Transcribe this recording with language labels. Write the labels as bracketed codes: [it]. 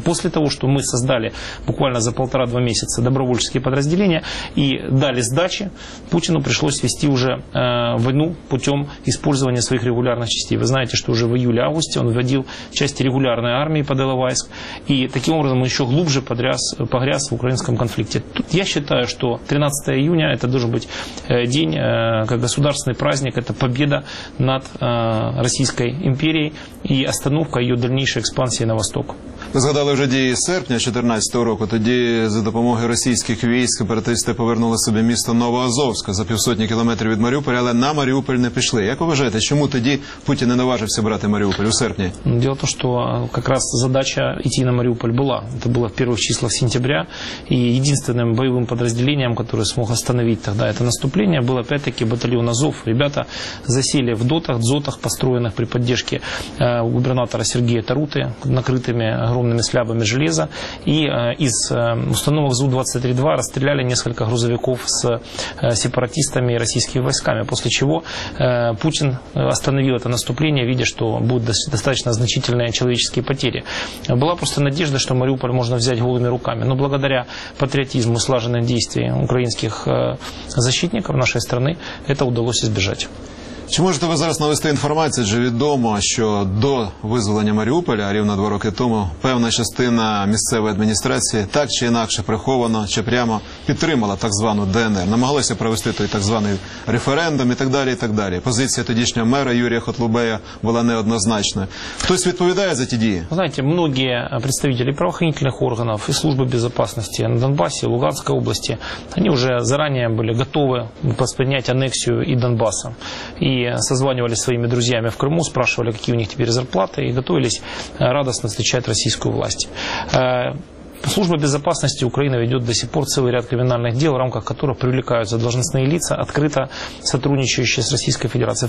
[ru] После того, что мы создали буквально за полтора-два месяца добровольческие подразделения и дали сдачи, Путину пришлось вести уже войну путем использования своих регулярных частей. Вы знаете, что уже в июле-августе он вводил части регулярной армии под Иловайск, и таким образом он еще глубже погряз в украинском конфликте. Тут я считаю, что 13 июня это должен быть день, как государственный праздник, это победа над Российской империей и остановка ее дальнейшей экспансии на восток. [uk] Ви згадали вже дії серпня 2014 року, тоді за допомогою російських військ братисти повернули собі місто Новоазовське за півсотні кілометрів від Маріуполя, але на Маріуполь не пішли. Як ви вважаєте, чому тоді Путін не наважився брати Маріуполь у серпні? Діло в тому, що якраз задача йти на Маріуполь була. Це було в перших числах [ru] сентября, [uk] і єдиним бойовим підрозділенням, яке змог остановити тоді це наступлення, було [ru] опять-таки [uk] батальйон Азов. Ребята засіли в дотах, дзотах, построєних при підтримці губернатора Сергія Тарути, [ru] накритими огромными слябами железа, и из установок ЗУ-23-2 расстреляли несколько грузовиков с сепаратистами и российскими войсками, после чего Путин остановил это наступление, видя, что будут достаточно значительные человеческие потери. Была просто надежда, что Мариуполь можно взять голыми руками, но благодаря патриотизму и слаженным действиям украинских защитников нашей страны это удалось избежать. [uk] Чи можете ви зараз навести інформацію, чи відомо, що до визволення Маріуполя, рівно два роки тому, певна частина місцевої адміністрації так чи інакше приховано, чи прямо підтримала так звану ДНР, намагалася провести той так званий референдум і так далі, і так далі. Позиція тодішнього мера Юрія Хотлубея була неоднозначною. Хтось відповідає за ті дії? Знаєте, багато представників правоохоронних органів і Служби безпеки на Донбасі, Луганській області, вони вже зарані були готові сприйняти анексію і Донбасу. [ru] И созванивались своими друзьями в Крыму, спрашивали, какие у них теперь зарплаты, и готовились радостно встречать российскую власть. Служба безопасности Украины ведет до сих пор целый ряд криминальных дел, в рамках которых привлекаются должностные лица, открыто сотрудничающие с Российской Федерацией.